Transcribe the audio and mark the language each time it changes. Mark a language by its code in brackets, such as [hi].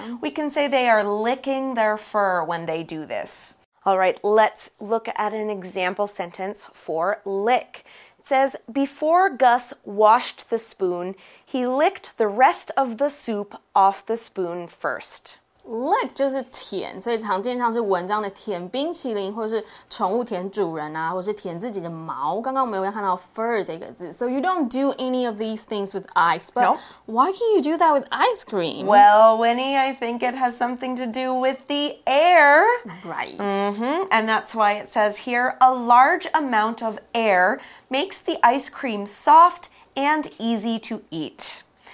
[en] We can say they are licking their fur when they do this. All right, let's look at an example sentence for lick. It says, before Gus washed the spoon, he licked the rest of the soup off the spoon first. [zh] Lick 就是舔，所以常见像是文章的舔冰淇淋，或是宠物舔主人啊，或是舔自己的毛。刚刚我们有看到 fur 这个字。 [en] So you don't do any of these things with ice, but why can you do that with ice cream? Well, Winnie, I think it has something to do with the air. Right. And that's why it says here, a large amount of air makes the ice cream soft and easy to eat.